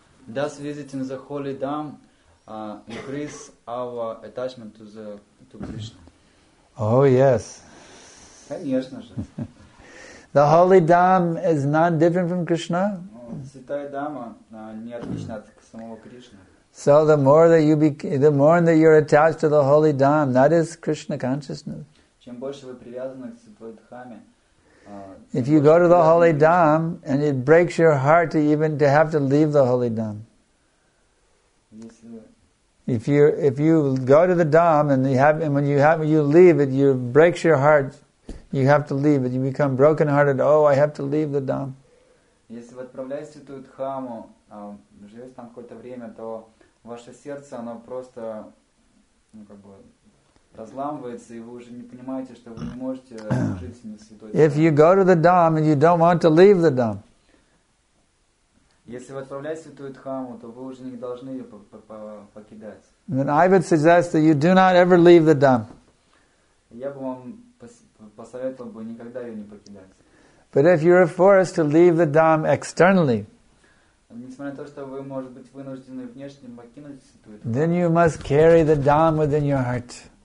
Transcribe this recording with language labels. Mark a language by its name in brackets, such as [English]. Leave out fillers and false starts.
[English] Does visiting the Holy Dham increase our attachment to the to Krishna? Oh yes. [Russian] Конечно же. [English] The Holy Dham is not different from Krishna. [Russian] Святая дама не отлична от самого Кришны. [English] So the more that you be, the more that you're attached to the Holy Dham, that is Krishna consciousness. [Russian] Чем больше вы привязаны к Святой Дхаме. [English] If you go to the Holy Dham and it breaks your heart to even to have to leave the Holy Dham. If you go to the Dham and you have and when you have you leave it, you breaks your heart, you have to leave it, you become broken hearted, oh I have to leave the Dham. [Russian] Если вы отправляетесь в Святую Дхаму, живете там какое-то время, то ваше сердце оно просто разламывается, и вы уже не понимаете, что вы не можете жить на святой. [English] If you go to the Dham and you don't want to leave the Dham. [Russian] Если вы отправляетесь в Святую Дхаму, то вы уже не должны ее покидать. [English] Then I would suggest that you do not ever leave the Dham. [Russian] Я бы вам посоветовал бы никогда ее не покидать. [English] But if you're forced to leave the Dham externally, then you must carry the Dham within your heart.